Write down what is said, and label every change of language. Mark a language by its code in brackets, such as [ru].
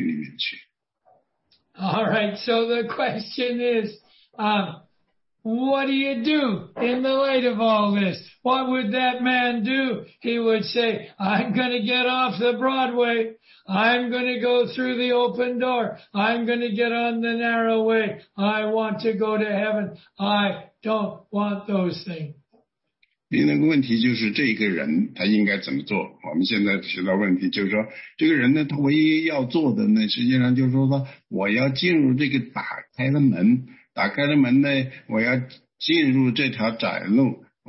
[zh] 然后这个人呢，在这个时候，大灾难的时候呢，他就会死。他死呢，或者是自然死亡，或者说是被别人杀死的。因为当时在世界上呢，有很多的人都要被杀死，不管他是以哪种方式死亡，最终呢，他就会下到地狱里面去。 [en] All right, so the question is, what do you do in the light of all this? What would that man do? He would say, I'm going to get off the Broadway. I'm going to go through the open door. I'm going to get on the narrow way. I want to go to heaven. I don't want those things. [zh] 另外一个问题就是这个人他应该怎么做。我们现在提到问题就是说，这个人呢，他唯一要做的呢，实际上就是说，我要进入这个打开的门，打开的门呢，我要进入这条窄路。